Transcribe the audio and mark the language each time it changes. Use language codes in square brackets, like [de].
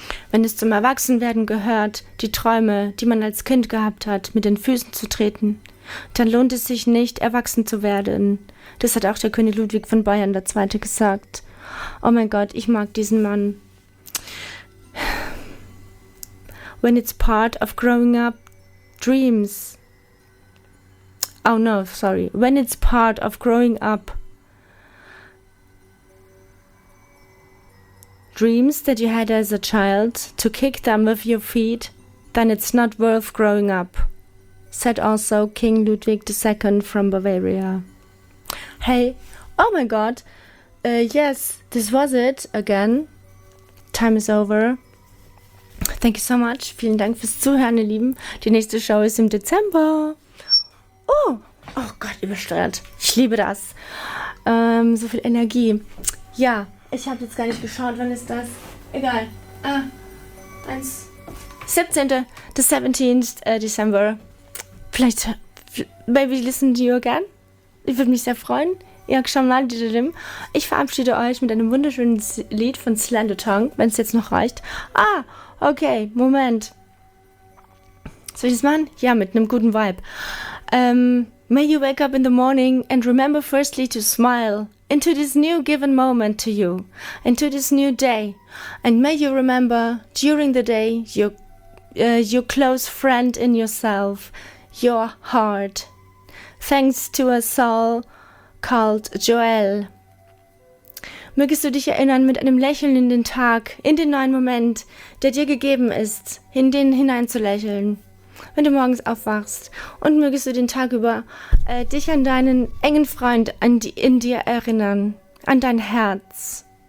[de] Wenn es zum Erwachsenwerden gehört, die Träume, die man als Kind gehabt hat, mit den Füßen zu treten, dann lohnt es sich nicht, erwachsen zu werden. Das hat auch der König Ludwig von Bayern II. Gesagt. Oh mein Gott, ich mag diesen Mann. [en] When it's part of growing up, dreams. Oh no, sorry. When it's part of growing up, dreams that you had as a child, to kick them with your feet, then it's not worth growing up, said also King Ludwig II from Bavaria. Hey, oh my god, yes, this was it again. Time is over. Thank you so much. [de] Vielen Dank fürs Zuhören, ihr Lieben. Die nächste Show ist im Dezember. Oh, oh Gott, übersteuert. Ich liebe das. So viel Energie. Ja, ich habe jetzt gar nicht geschaut, wann ist das? Egal. Eins. 17. [en] The 17th December. [de] Vielleicht, [en] maybe listen to you again. [de] Ich würde mich sehr freuen. Ich verabschiede euch mit einem wunderschönen Lied von Slender Tongue, wenn es jetzt noch reicht. Ah, okay, Moment. Soll ich das machen? Ja, mit einem guten Vibe. [en] May you wake up in the morning and remember firstly to smile into this new given moment to you, into this new day. And may you remember during the day your close friend in yourself, your heart. Thanks to a soul called Joelle. [de] Mögest du dich erinnern mit einem Lächeln in den Tag, in den neuen Moment, der dir gegeben ist, in den hineinzulächeln, wenn du morgens aufwachst. Und mögest du den Tag über dich an deinen engen Freund in dir erinnern, an dein Herz.